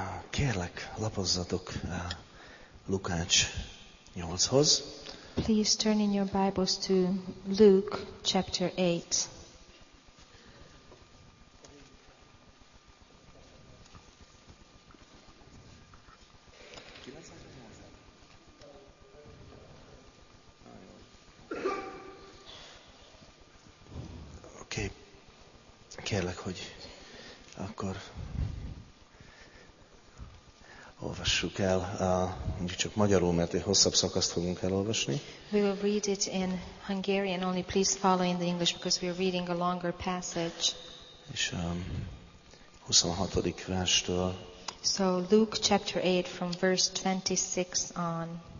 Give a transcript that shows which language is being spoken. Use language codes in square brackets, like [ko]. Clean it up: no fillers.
[hu] Kérlek, lapozzatok Lukács 8-hoz. [en] Please turn in your Bibles to Luke chapter 8. [hu] Oké. Kérlek, hogy akkor olvassuk el, mondjuk csak magyarul, mert egy hosszabb szakaszt fogunk elolvasni. [en] We will read it in Hungarian, only please follow in the English, because we are reading a longer passage. [hu] És 26. verstől. [en] So Luke chapter 8 from verse 26 on.